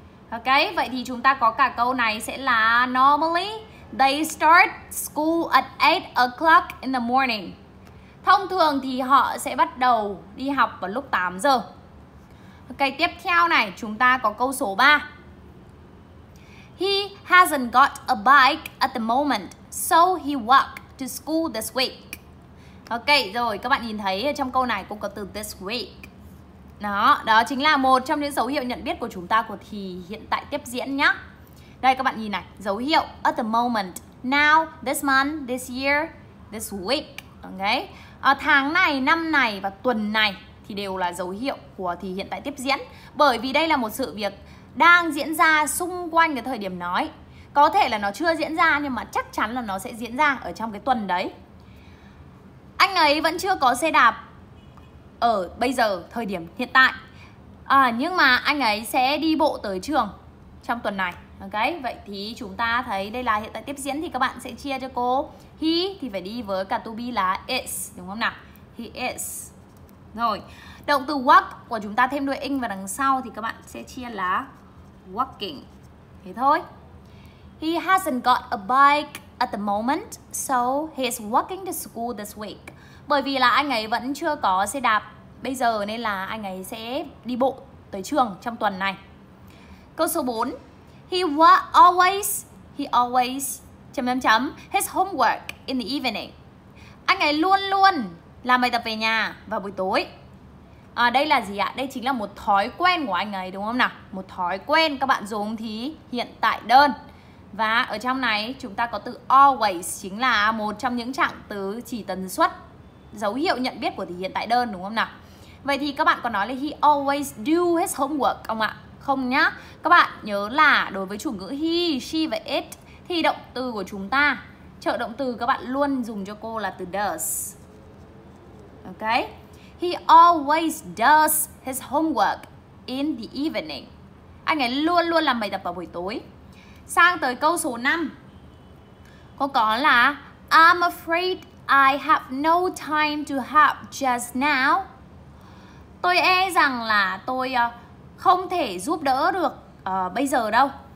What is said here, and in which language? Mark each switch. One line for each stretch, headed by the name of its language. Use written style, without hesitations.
Vietnamese: Ok, vậy thì chúng ta có cả câu này sẽ là
English: normally they start school at 8 o'clock in the morning.
Vietnamese: Thông thường thì họ sẽ bắt đầu đi học vào lúc 8 giờ. Ok, tiếp theo này, chúng ta có câu số 3.
English: He hasn't got a bike at the moment, so he walked to school this week.
Vietnamese: Ok, rồi, các bạn nhìn thấy trong câu này cũng có từ this week. Đó, đó chính là một trong những dấu hiệu nhận biết của chúng ta của thì hiện tại tiếp diễn nhá. Đây, các bạn nhìn này, dấu hiệu
English: at the moment, now, this month, this year, this week.
Vietnamese: Ok, ở tháng này, năm này và tuần này thì đều là dấu hiệu của thì hiện tại tiếp diễn. Bởi vì đây là một sự việc đang diễn ra xung quanh cái thời điểm nói. Có thể là nó chưa diễn ra nhưng mà chắc chắn là nó sẽ diễn ra ở trong cái tuần đấy. Anh ấy vẫn chưa có xe đạp ở bây giờ, thời điểm hiện tại à, nhưng mà anh ấy sẽ đi bộ tới trường trong tuần này. Ok, vậy thì chúng ta thấy đây là hiện tại tiếp diễn thì các bạn sẽ chia cho cô. He thì phải đi với cả to be là is, đúng không nào? He is. Rồi, động từ walk của chúng ta thêm đuôi ing vào đằng sau thì các bạn sẽ chia là walking. Thế thôi.
English: He hasn't got a bike at the moment, so he's walking to school this week.
Vietnamese: Bởi vì là anh ấy vẫn chưa có xe đạp bây giờ nên là anh ấy sẽ đi bộ tới trường trong tuần này. Câu số 4.
English: He always
Vietnamese: chấm chấm chấm
English: his homework in the evening.
Vietnamese: Anh ấy luôn luôn làm bài tập về nhà vào buổi tối. À, đây là gì ạ? Đây chính là một thói quen của anh ấy đúng không nào? Một thói quen các bạn dùng thì hiện tại đơn. Và ở trong này chúng ta có từ always, chính là một trong những trạng từ chỉ tần suất, dấu hiệu nhận biết của thì hiện tại đơn đúng không nào? Vậy thì các bạn có nói là
English: he always do his homework
Vietnamese: không ạ? Không nhá. Các bạn nhớ là đối với chủ ngữ he, she và it thì động từ của chúng ta, trợ động từ các bạn luôn dùng cho cô là từ does.
English: Ok, he always does his homework in the evening.
Vietnamese: Anh ấy luôn luôn làm bài tập vào buổi tối. Sang tới câu số 5, cô có là
English: I'm afraid I have no time to help just now.
Vietnamese: Tôi e rằng là tôi không thể giúp đỡ được bây giờ đâu.